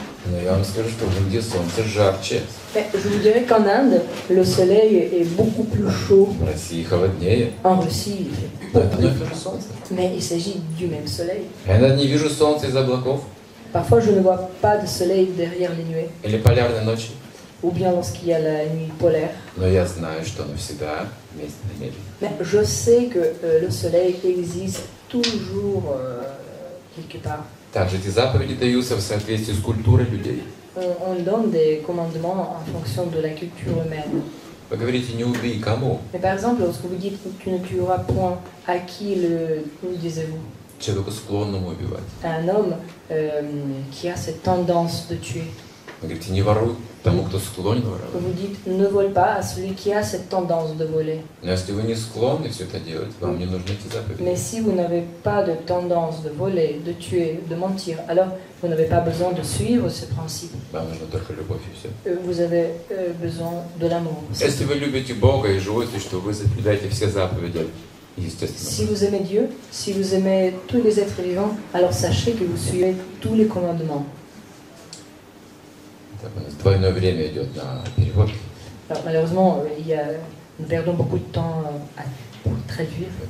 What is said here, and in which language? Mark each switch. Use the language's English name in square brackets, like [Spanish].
[Russian] Но я вам скажу, что в Индии солнце жарче. [French] Je vous dirais qu'en Inde, le soleil est beaucoup plus chaud. [Russian] В России холоднее. [French] En Russie, [Russian] это не то же солнце. [French] Mais il s'agit du même soleil. [Russian] Я не вижу солнца из облаков. [French] Parfois, je ne vois pas de soleil derrière les nuées. [Russian] Или полярные ночи. [French] Ou bien lorsqu'il y a la nuit polaire. [Russian] Но я знаю, что оно всегда вместе на небе. [French] Mais je sais que le soleil existe toujours quelque part. [Russian] Также эти заповеди даются в соответствии с культурой людей. [French] On donne des commandements en fonction de la culture humaine. [Russian] Вы говорите, не убей кому? [French] Mais par exemple, lorsque vous dites que tu ne tueras point, à qui le disiez-vous? [Russian] Человеку склонному убивать. [French] Un homme qui a cette tendance de tuer. [Russian] Вы говорите, не воруй тому, кто склонен воровать. [French] Vous dites, ne vole pas à celui qui a cette tendance de voler. [Russian] Но если вы не склонны все это делать, вам не нужны эти заповеди. [French] Mais si vous n'avez pas de tendance de voler, de tuer, de mentir, alors vous n'avez pas besoin de suivre ce principe. [Russian] Вам нужно только любовь и все. [French] Vous avez besoin de l'amour. [Russian] Если вы любите Бога и живете, что вы соблюдаете все заповеди, естественно. [French] Si vous aimez Dieu, si vous aimez tous les êtres vivants, alors sachez que vous suivez tous les commandements. [Russian] Двойное время идет на перевод. [French] Malheureusement, nous perdons beaucoup de temps à traduire.